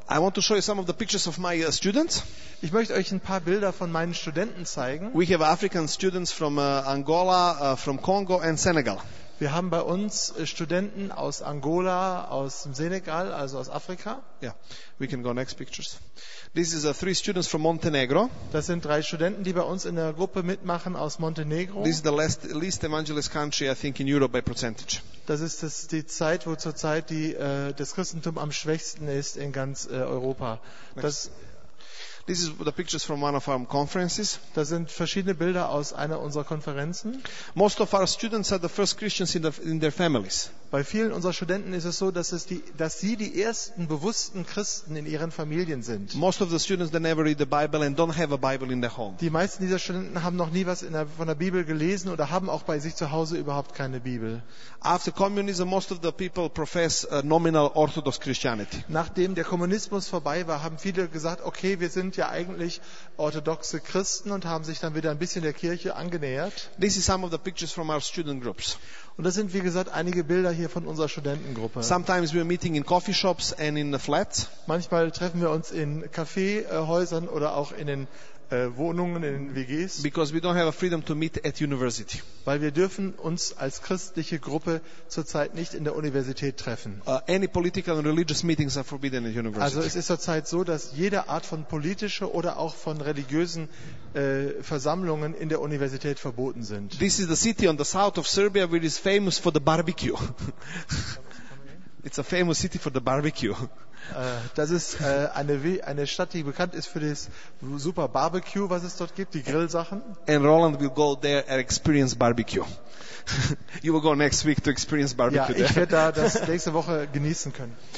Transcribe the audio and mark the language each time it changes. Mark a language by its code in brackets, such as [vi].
[en] I want to show you some of the pictures of my students. [de] Ich möchte euch ein paar Bilder von meinen Studenten zeigen. [en] We have African students from Angola, from Congo and Senegal. [de] Wir haben bei uns Studenten aus Angola, aus dem Senegal, also aus Afrika. [en] Yeah, we can go next pictures. This is 3 students from Montenegro. [de] Das sind 3 Studenten, die bei uns in der Gruppe mitmachen aus Montenegro. [en] This is the least evangelist country, I think, in Europe by percentage. [de] Das ist die Zeit, wo zurzeit das Christentum am schwächsten ist in ganz Europa. [en] This is the pictures from one of our conferences. [de] Das sind verschiedene Bilder aus einer unserer Konferenzen. [en] Most of our students are the first Christians in their families. [de] Bei vielen unserer Studenten ist es so, dass sie die ersten bewussten Christen in ihren Familien sind. [en] Most of the students they never read the Bible and don't have a Bible in their home. [de] Die meisten dieser Studenten haben noch nie was von der Bibel gelesen oder haben auch bei sich zu Hause überhaupt keine Bibel. [en] After communism, most of the people profess a nominal Orthodox Christianity. [de] Nachdem der Kommunismus vorbei war, haben viele gesagt, okay, wir sind ja eigentlich orthodoxe Christen und haben sich dann wieder ein bisschen der Kirche angenähert. [en] This is some of the pictures from our student groups. [de] Und das sind, wie gesagt, einige Bilder hier von unserer Studentengruppe. [en] Sometimes we are meeting in coffee shops and in the flats. [de] Manchmal treffen wir uns in Kaffeehäusern oder auch in den Wohnungen, in den WGs. [en] Because we don't have a freedom to meet at university. [de] Weil wir dürfen uns als christliche Gruppe zurzeit nicht in der Universität treffen. [en] Any political and religious meetings are forbidden at university. [de] Also es ist zurzeit so, dass jede Art von politischer oder auch von religiösen Versammlungen in der Universität verboten sind. [en] This is the city on the south of Serbia which is famous for the barbecue. It's a famous city for the barbecue. [de] Das ist eine Stadt, die bekannt ist für das super Barbecue, was es dort gibt, die Grillsachen. [en] And Roland will go there and experience barbecue. You will go next week to experience barbecue there. [de] Ja, ich werde da das nächste Woche genießen können.